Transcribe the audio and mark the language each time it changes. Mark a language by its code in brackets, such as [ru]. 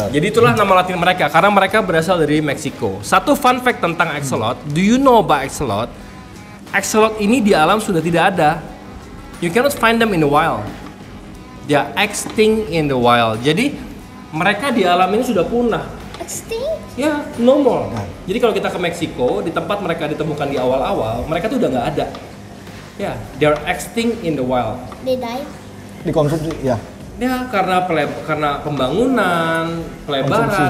[id] Jadi itulah nama latin mereka karena mereka berasal dari Meksiko. Satu fun fact tentang axolotl, [en] do you know about axolotl? [id] Axolotl ini di alam sudah tidak ada. [en] You cannot find them in the wild. They are extinct in the wild. [id] Jadi mereka di alam ini sudah punah. [en] Extinct? [id] Ya, [en] no more. [id] Nah. Jadi kalau kita ke Meksiko, di tempat mereka ditemukan di awal-awal, mereka tuh udah enggak ada. [en] Ya, they are extinct in the wild. They die. [id] Dikonsumsi, ya. Ya, karena karena pembangunan, pelebaran, konsumsi.